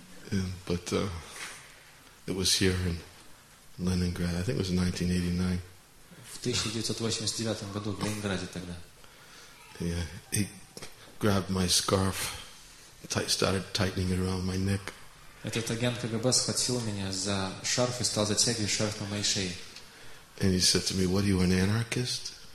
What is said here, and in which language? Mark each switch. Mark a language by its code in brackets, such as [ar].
[en] Yeah, but it was here in Leningrad. I think it was 1989. [ru] В 1989 году в Ленинграде тогда. [en] Yeah, he grabbed my scarf, started tightening it around my neck. [ru] Этот агент КГБ схватил меня за шарф и стал затягивать шарф на моей шее. [en] And he said to me, "What are you, an anarchist?"